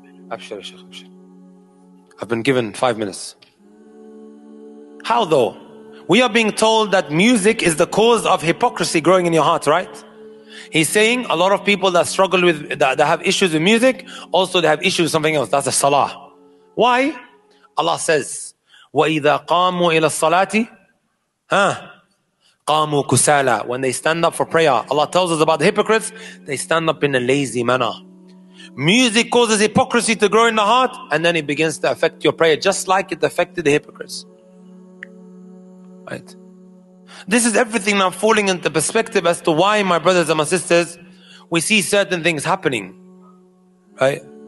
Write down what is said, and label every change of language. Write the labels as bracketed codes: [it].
[en] I've been given 5 minutes. How though? We are being told that music is the cause of hypocrisy growing in your heart, right? He's saying a lot of people that struggle with, that have issues with music, also they have issues with something else. That's a salah. Why? Allah says, [ar] وَإِذَا قَامُوا إِلَى الصَّلَاةِ قَامُوا كُسَالَى. [en] When they stand up for prayer, Allah tells us about the hypocrites, they stand up in a lazy manner. Music causes hypocrisy to grow in the heart, and then it begins to affect your prayer, just like it affected the hypocrites. Right. This is everything now falling into perspective as to why, my brothers and my sisters, we see certain things happening. Right?